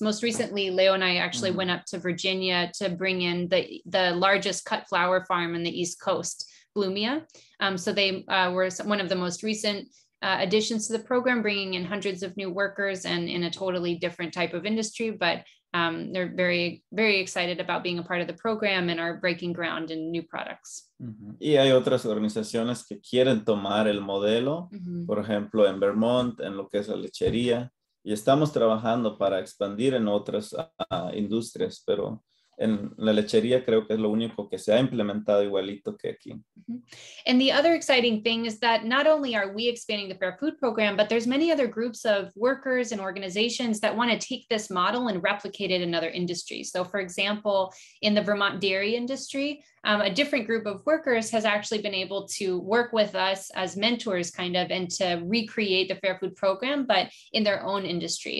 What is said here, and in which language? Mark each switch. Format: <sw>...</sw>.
<en>Most recently, Leo and I actually went up to Virginia to bring in the largest cut flower farm in the East Coast, Blumia. So they were one of the most recent additions to the program, bringing in hundreds of new workers and in a totally different type of industry. But they're very, very excited about being a part of the program and are breaking ground in new products. Mm-hmm.</en> <es>Y hay otras organizaciones que quieren tomar el modelo, por ejemplo, en Vermont, en lo que es la lechería. Y estamos trabajando para expandir en otras industrias, pero en la lechería creo que es lo único que se ha implementado igualito que aquí.</es> <en>And the other exciting thing is that not only are we expanding the Fair Food Program, but there's many other groups of workers and organizations that want to take this model and replicate it in other industries. So for example, in the Vermont dairy industry, a different group of workers has actually been able to work with us as mentors kind of and to recreate the Fair Food Program, but in their own industry.</en>